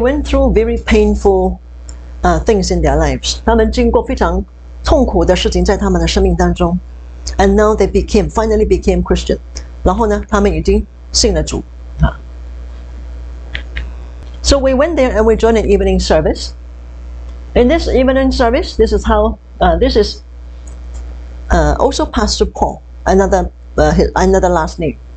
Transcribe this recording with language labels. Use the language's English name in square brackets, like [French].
[English] went through very painful things in their lives. [Chinese] 他们经过非常痛苦的事情在他们的生命当中。 [English] And now they became, finally became Christian. [Chinese] 然后呢，他们已经信了主。 [English] So we went there and we joined an evening service. In this evening service, this is how, also Pastor Paul, another last name.